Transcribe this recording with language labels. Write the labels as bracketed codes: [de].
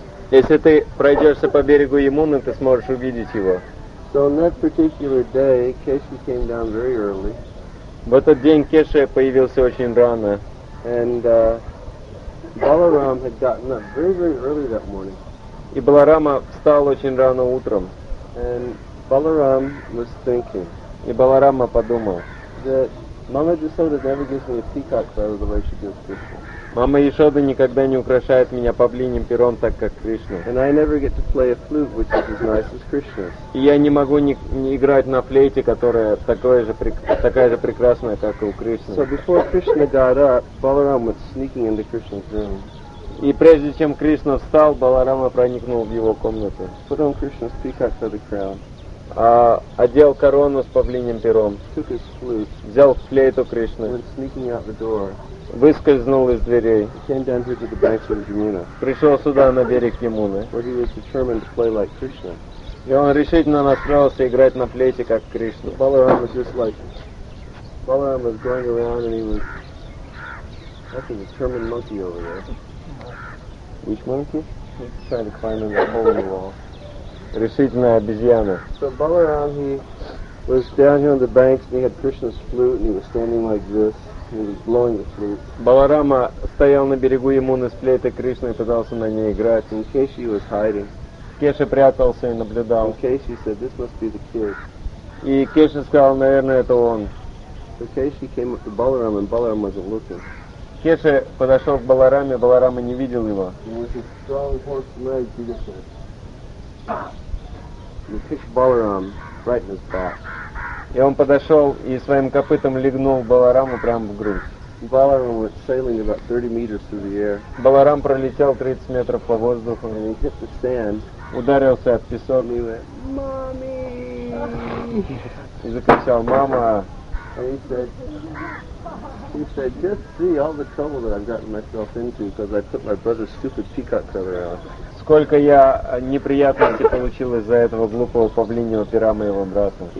[ru] Если ты пройдешься по берегу Ямуны, ты сможешь увидеть его. В этот день Кеша появился очень рано. [en] Balaram had gotten up very, very early that morning. [ru] И Баларама встал очень рано утром. [en] And Balaram was thinking. [ru] И Баларама подумал. [en] That Mama Yashoda never gives me a peacock feather the way she gives Krishna. [ru] Мама Яшода никогда не украшает меня павлиньим пером так как Кришна. [en] And I never get to play a flute which is as nice as Krishna's. [ru] И я не могу не играть на флейте, которая такая же прекрасная, как и у Кришны. [en] So before Krishna got up, Balaram was sneaking into Krishna's room. [ru] И прежде чем Кришна встал, Баларама проникнул в его комнату. [en] Put on Krishna's peacock feather crown. [ru] Одел корону с павлиньим пером. [en] Took his flute. [ru] Взял флейту Кришны. [en] Went sneaking out the door. [ru] Выскользнул из дверей. [en] He came down here to the banks of Jamuna. [ru] Пришел сюда на берег Ямуны. [en] Where he was determined to play like Krishna. [ru] И он решительно настроился играть на флейте как Кришна. [en] Balaram was just like Balaram was going around and he was like a determined monkey over there. Which monkey? He's trying to climb in the hole in the wall. [ru] Решительная обезьяна. [en] So Balaram he was down here on the banks and he had Krishna's flute and he was standing like this. He was blowing the flute. [ru] Баларама стоял на берегу Ямуны с флейтой Кришны и пытался на ней играть. [en] And Keshi was hiding. [ru] Кеша прятался и наблюдал. [en] And Keshi said, "This must be the kid." [ru] И Кеша сказал, наверное, это он. [en] So Keshi came up to Balaram and Balaram wasn't looking. [ru] Кеша подошел к Балараме, Баларама не видел его. [en] With his strong horse leg, he just said, "You kicked Balaram right in his back." [ru] И он подошел и своим копытом легнул Балараму прямо в грудь. [en] Balaram went sailing about 30 meters through the air. [ru] Баларам пролетел 30 метров по воздуху. [en] And he hit the sand. [ru] Ударился от песок. [en] And he went, "Mommy!" [ru] И закричал, "Мама!" [en] And he said, "Just see all the trouble that I've gotten myself into because I put my brother's stupid peacock feather on." [ru] Сколько я неприятностей получил из-за этого глупого павлиньего пера моего брата.